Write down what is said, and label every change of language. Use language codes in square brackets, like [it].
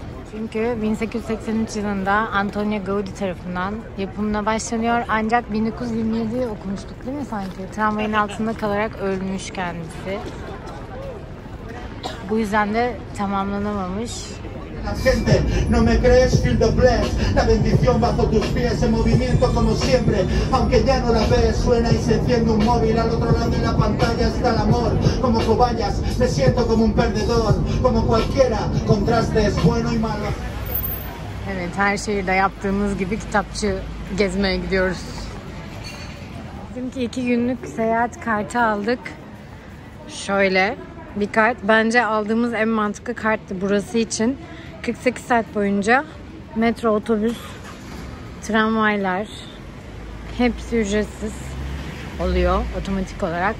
[tr] Çünkü 1883 yılında Antonio Gaudi tarafından yapımına başlanıyor. Ancak 1927'yi okumuştuk değil mi sanki? Tramvayın altında kalarak ölmüş kendisi. Bu yüzden de tamamlanamamış. [es] La gente no me crees [en] feel the bless [es] la bendición bajo tus pies en movimiento como siempre aunque ya no la ves suena y se enciende un móvil al otro lado de la pantalla está el amor como cobayas me siento como un perdedor como cualquiera contrastes bueno y malo. [tr] Evet, her şehirde yaptığımız gibi kitapçı gezmeye gidiyoruz. Bizimki 2 günlük seyahat kartı aldık. Şöyle bir kart. Bence aldığımız en mantıklı karttı burası için. 48 saat boyunca metro, otobüs, tramvaylar hepsi ücretsiz oluyor otomatik olarak.